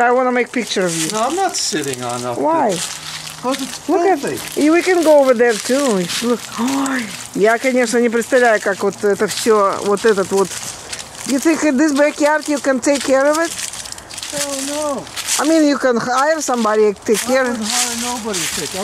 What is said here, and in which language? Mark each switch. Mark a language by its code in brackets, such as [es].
[en] I want to make a picture of you. No, I'm not sitting on up. Why? Because it's filthy. Look at, we can go over there too. Look. [ru] Ой. Я, конечно, не представляю, как вот это все, вот этот вот. [en] You think in this backyard you can take care of it? Hell no. I mean, you can hire somebody to take care of it. I don't hire nobody to take care of